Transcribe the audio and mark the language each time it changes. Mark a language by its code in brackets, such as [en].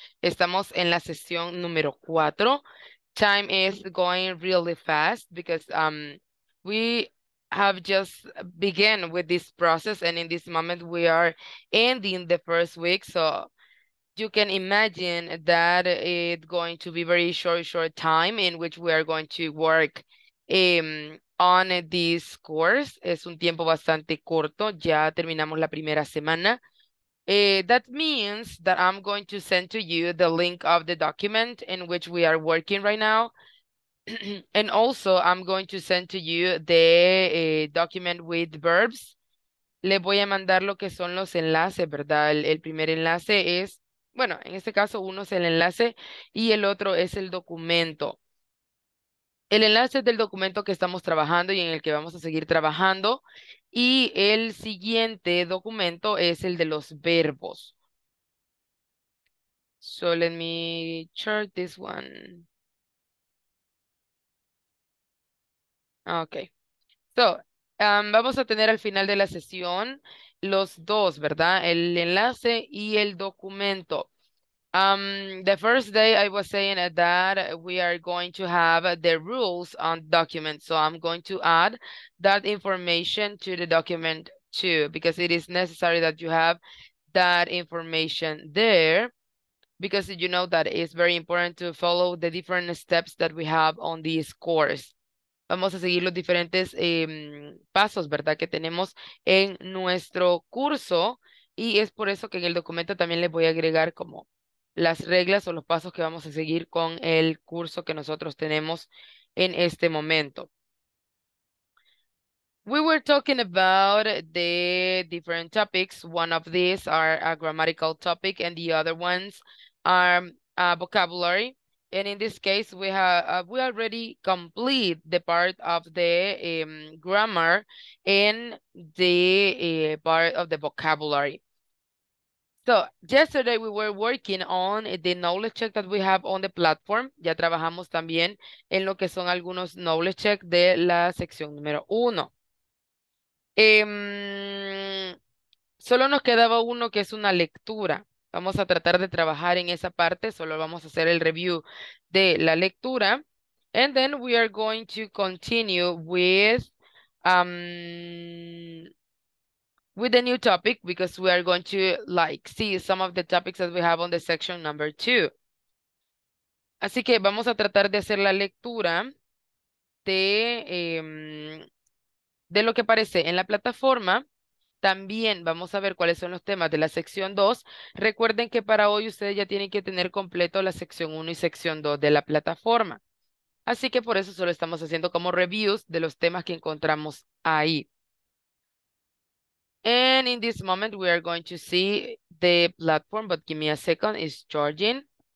[es] Estamos en la sesión número 4. [en] Time is going really fast because we have just begun with this process, and in this moment we are ending the first week. So you can imagine that it's going to be very short time in which we are going to work on this course. [es] Es un tiempo bastante corto, ya terminamos la primera semana. [en] That means that I'm going to send to you the link of the document in which we are working right now. And also I'm going to send to you the document with verbs. [es] Le voy a mandar lo que son los enlaces, ¿verdad? El primer enlace es, bueno, en este caso uno es el enlace y el otro es el documento. El enlace es del documento que estamos trabajando y en el que vamos a seguir trabajando. Y el siguiente documento es el de los verbos. [en] So let me chart this one. [es] Okay. So, vamos a tener al final de la sesión los dos, ¿verdad? El enlace y el documento. [en] The first day I was saying that we are going to have the rules on documents. So I'm going to add that information to the document too, because it is necessary that you have that information there, because you know that it's very important to follow the different steps that we have on this course. [es] Vamos a seguir los diferentes pasos, ¿verdad?, que tenemos en nuestro curso. Y es por eso que en el documento también les voy a agregar como las reglas o los pasos que vamos a seguir con el curso que nosotros tenemos en este momento. [en] We were talking about the different topics. One of these are a grammatical topic and the other ones are vocabulary. And in this case, we already complete the part of the grammar and the part of the vocabulary. So, yesterday we were working on the knowledge check that we have on the platform. [es] Ya trabajamos también en lo que son algunos knowledge check de la sección número uno. Solo nos quedaba uno que es una lectura. Vamos a tratar de trabajar en esa parte. Solo vamos a hacer el review de la lectura. [en] And then we are going to continue with a new topic, because we are going to like see some of the topics that we have on the section number 2. [es] Así que vamos a tratar de hacer la lectura de lo que aparece en la plataforma. También vamos a ver cuáles son los temas de la sección 2. Recuerden que para hoy ustedes ya tienen que tener completo la sección 1 y sección 2 de la plataforma. Así que por eso solo estamos haciendo como reviews de los temas que encontramos ahí. [en] And in this moment, we are going to see the platform, but give me a second, it's charging.